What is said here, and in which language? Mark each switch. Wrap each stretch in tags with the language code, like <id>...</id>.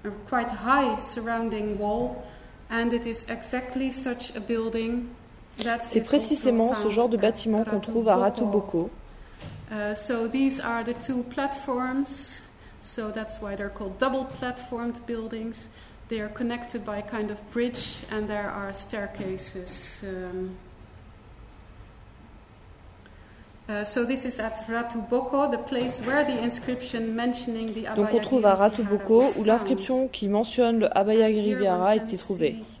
<en>Quite high surrounding wall, and it is exactly such a building that</en> <fr>C'est précisément ce genre de bâtiment qu'on trouve à Ratuboko.</fr> <en>So these are the two platforms, so that's why they're called double-platformed buildings. They are connected by a kind of bridge, and there are staircases. So this is at Ratuboko, the place where the inscription mentioning the</en> <fr>Donc on trouve à Ratuboko où l'inscription qui mentionne le Abhayagiri Vihara a été trouvée.</fr>